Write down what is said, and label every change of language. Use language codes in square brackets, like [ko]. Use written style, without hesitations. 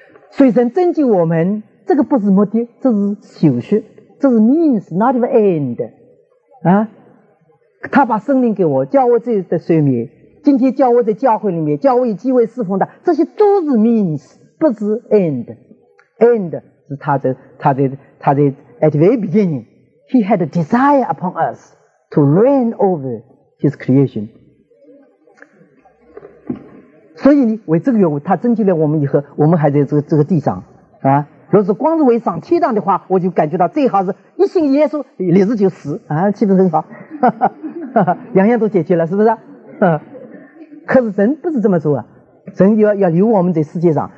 [zh] 所以神拯救我们，这个不是目的，这是手续，这是 [en] means not even end [zh] 啊。他把圣灵给我，叫我自己的睡眠，今天叫我在教会里面，叫我有机会侍奉他，这些都是 means， 不是 end。 end 是他的 [en] at very beginning。 He had a desire upon us to reign over his creation. [zh] 所以呢，为这个缘故，他拯救了我们以后，我们还在这个地上啊。若是光是为上天堂的话，我就感觉到最好是一信耶稣，立志就死啊，岂不是很好？两样都解决了，是不是？可是神不是这么做啊，神要留我们在世界上。